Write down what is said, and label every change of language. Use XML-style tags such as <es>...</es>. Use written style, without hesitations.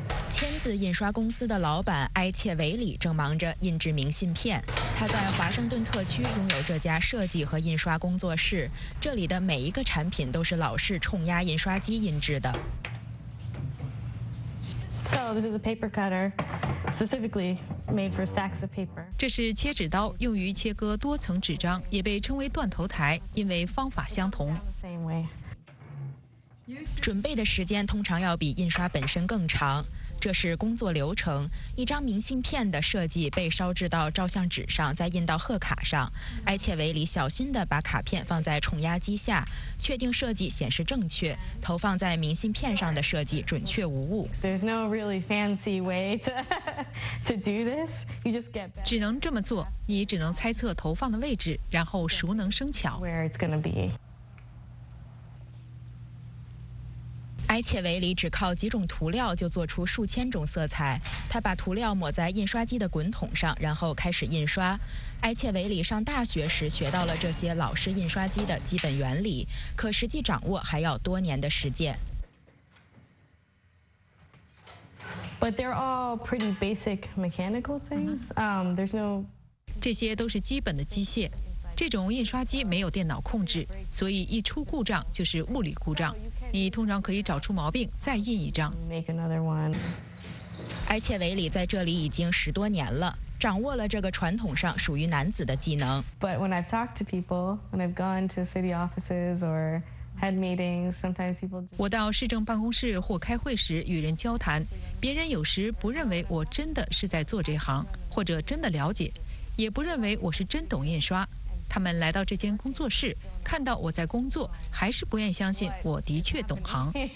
<zh>签字印刷公司的老板埃切维里正忙着印制明信片，他在华盛顿特区拥有这家设计和印刷工作室，这里的每一个产品都是老式冲压印刷机印制的。</zh> <en>So this is a paper cutter, specifically made for stacks of paper.</en> <zh>这是切纸刀，用于切割多层纸张，也被称为断头台，因为方法相同。准备的时间通常要比印刷本身更长。这是工作流程，一张明信片的设计被烧制到照相纸上，再印到贺卡上。埃切维里小心地把卡片放在冲压机下，确定设计显示正确，投放在明信片上的设计准确无误。</zh> <en>There's no really fancy way to do this. You just get.</en> <zh>只能这么做，你只能猜测投放的位置，然后熟能生巧。</zh> <en>Where it's gonna be.</en> <zh>埃切维里只靠几种涂料就做出数千种色彩，他把涂料抹在印刷机的滚筒上，然后开始印刷。埃切维里上大学时学到了这些老式印刷机的基本原理，可实际掌握还要多年的实践。</zh> <en>But they're all pretty basic mechanical things. There's no.</en> <zh>这些都是基本的机械。这种印刷机没有电脑控制，所以一出故障就是物理故障。你通常可以找出毛病，再印一张。埃切维里在这里已经十多年了，掌握了这个传统上属于男子的技能。</zh> <en>But when I've talked to people, when I've gone to city offices or had meetings, sometimes people.</en> <zh>我到市政办公室或开会时与人交谈，别人有时不认为我真的是在做这行，或者真的了解，也不认为我是真懂印刷。他们来到这间工作室，看到我在工作，还是不愿相信我的确懂行。</zh>